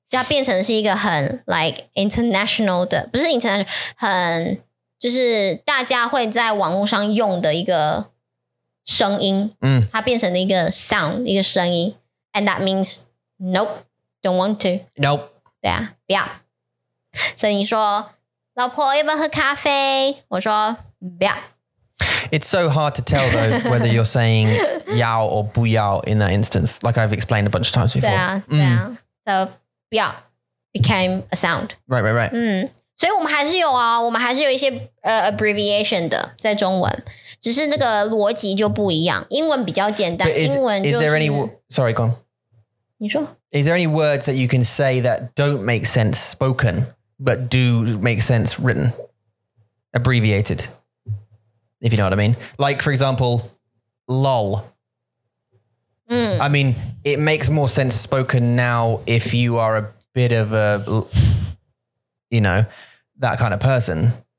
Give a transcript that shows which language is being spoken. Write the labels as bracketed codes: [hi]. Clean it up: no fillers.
[zh] 就它变成是一个很 [en] like international [zh] 的，不是 international， 很就是大家会在网络上用的一个声音。嗯，它变成了一个 sound， 一个声音。 [en] And that means nope, don't want to. Nope. [zh] 对啊，不要。所以你说，老婆要不要喝咖啡？我说不要。 [en] It's so hard to tell though whether you're saying 要 or 不要 in that instance. Like I've explained a bunch of times before. [zh] 对啊，对啊。So 不要 [en] became a sound. Right, right, right. [zh] 嗯，所以我们还是有啊，我们还是有一些abbreviation 的在中文。只是那个逻辑就不一样，英文比较简单。英文就是。 [en] Is there any sorry, go on. [zh] 你说。 [en] Is there any words that you can say that don't make sense spoken but do make sense written, abbreviated? If you know what I mean, like for example, lol. I mean, it makes more sense spoken now if you are a bit of a, you know, that kind of person.